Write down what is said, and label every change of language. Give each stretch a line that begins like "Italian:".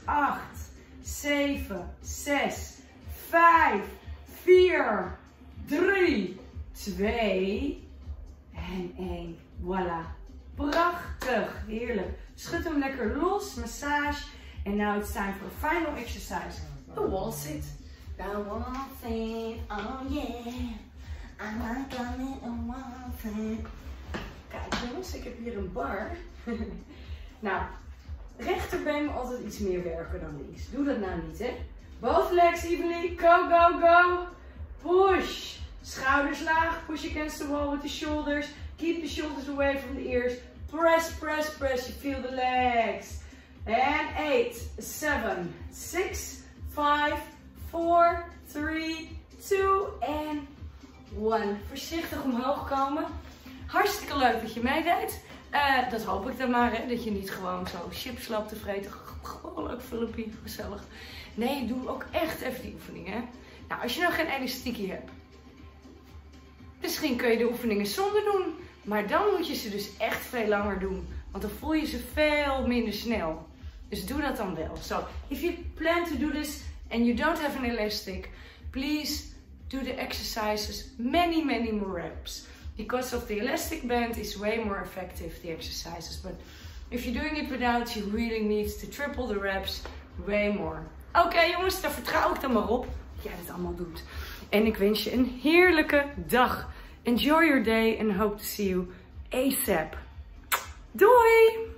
Dutch: 8, 7, 6, 5, 4, 3, 2, en 1. Voilà, prachtig, heerlijk. Schud hem lekker los, massage. En nu is het tijd voor de final exercise, de wall sit.
English: The wall sit, oh yeah, I'm not going in the wall sit.
Dutch: Kijk jongens, ik heb hier een bar. Nou, rechterbeen moet altijd iets meer werken dan links. Doe dat nou niet, hè.
English: Both legs evenly, go, go, go. Push,
Dutch: schouders laag,
English: push against the wall with the shoulders. Keep the shoulders away from the ears. Press, press, press. You feel the legs. And 8, 7, 6, 5, 4, 3, 2, and 1.
Dutch: Voorzichtig omhoog komen. Hartstikke leuk dat je meedeed. Dat hoop ik dan maar. Hè, dat je niet gewoon zo chips loopt te vreten. Gewoon leuk, Filippie. Gezellig. Nee, doe ook echt even die oefeningen. Nou, als je nou geen elastiekje hebt. Misschien kun je de oefeningen zonder doen. Maar dan moet je ze dus echt veel langer doen. Want dan voel je ze veel minder snel. Dus doe dat dan wel.
English: So, if you plan to do this and you don't have an elastic, please do the exercises many, many more reps. Because of the elastic band is way more effective, the exercises. But if you're doing it without, you really need to triple the reps way more.
Dutch: Okay, jongens, daar vertrouw ik dan maar op dat jij dat allemaal doet. En ik wens je een heerlijke dag.
English: Enjoy your day and hope to see you ASAP. Doei!